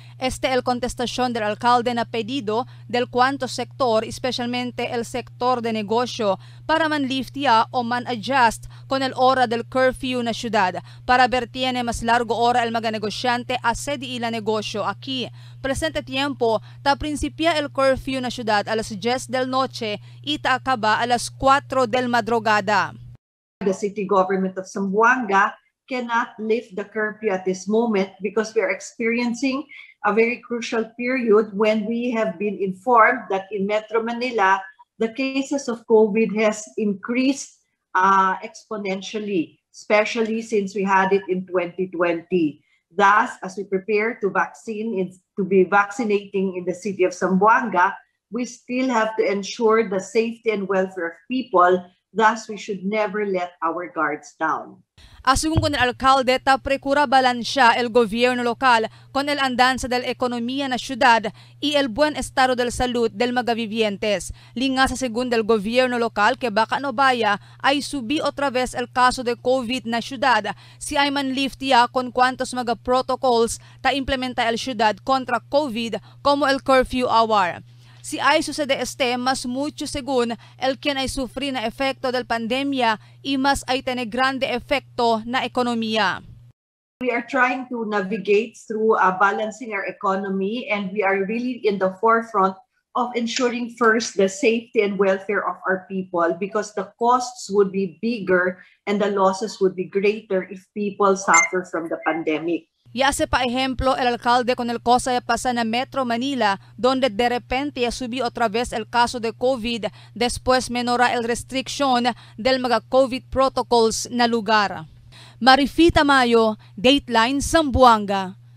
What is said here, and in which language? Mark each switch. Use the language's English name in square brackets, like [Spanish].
[Chavacano] Este el contestación del alcalde na pedido del cuanto sector, especialmente el sector de negocio, para man lift ya o man adjust con el hora del curfew na ciudad para ver tiene mas largo hora el mga negosyante a sedi ila negosyo aquí. Presente tiempo, ta principia el curfew na ciudad a las 10 del noche y ta acaba a las 4 del madrugada. [English] The city government of Zamboanga cannot lift the curfew at this moment because we are experiencing a very crucial period when we have been informed that in Metro Manila, the cases of COVID has increased exponentially, especially since we had it in 2020. Thus, as we prepare to be vaccinating in the city of Zamboanga, we still have to ensure the safety and welfare of people. Thus, we should never let our guards down. [Chavacano] Asugun con el alcalde, ta precura balansya el gobierno local con el andanza del economía na ciudad y el buen estado del salud del mga vivientes. Linga sa segun del gobierno local que baka no baya ay subi otra vez el caso de COVID na ciudad si ay man lift ya con cuantos mga protocols ta implementa el ciudad contra COVID como el curfew hour. Si ay susede este, mas mucho según el quien ay sufri na efecto del pandemia y mas ay tene grande efecto na economía. [English] We are trying to navigate through balancing our economy and we are really in the forefront of ensuring first the safety and welfare of our people because the costs would be bigger and the losses would be greater if people suffer from the pandemic. [Chavacano] Ya se pa ejemplo el alcalde con el cosa ya pasa na Metro Manila donde de repente ya subi otra vez el caso de COVID después menora el restriction del mga COVID protocols na lugar. Marifita Mayo, Dateline Zamboanga.